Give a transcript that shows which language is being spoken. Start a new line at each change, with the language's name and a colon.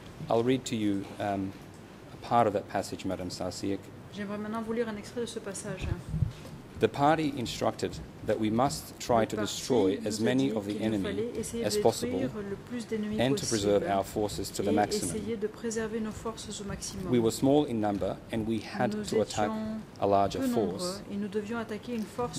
English: I'll read to you a part of that passage, Madame Sasiek.
French: J'aimerais maintenant vous lire un extrait de ce passage.
English: The party instructed that we must try to destroy as many of the enemy as possible and to preserve our forces to the maximum.
French: Essayer de préserver nos forces au maximum.
English: We were small in number and we had
French: nous
English: to attack a larger force.
French: Et nous devions attaquer une force